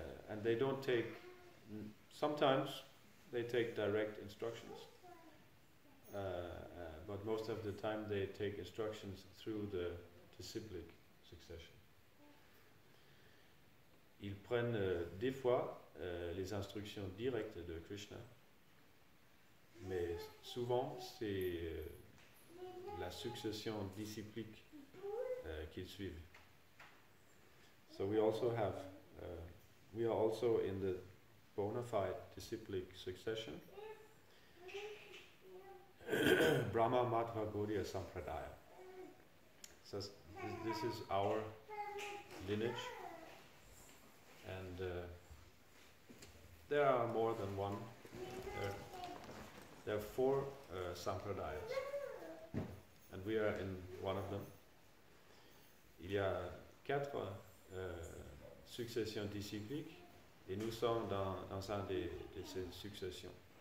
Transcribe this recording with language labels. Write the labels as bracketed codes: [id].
[en] And they don't take, sometimes they take direct instructions, but most of the time they take instructions through the disciplic succession. [fr] Ils prennent des fois les instructions directes de Krishna, mais souvent c'est la succession disciplique qu'ils suivent. [en] So we also have, we are also in the bona fide disciplic succession, Brahma Madhva Gaudiya Sampradaya. So this is our lineage, and there are more than one. There are four sampradayas, and we are in one of them. [fr] Il y a quatre successions disciples, et nous sommes dans un de ces successions.